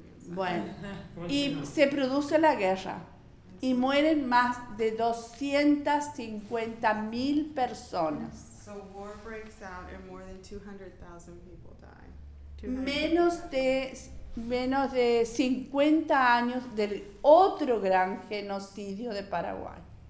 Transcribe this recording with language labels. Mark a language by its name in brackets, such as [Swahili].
[Spanish] Bueno, y se produce la guerra y mueren más de 250 mil personas. [English] So war breaks out and more than 200,000 people die. [Spanish] Menos de 50 años del otro gran genocidio de Paraguay.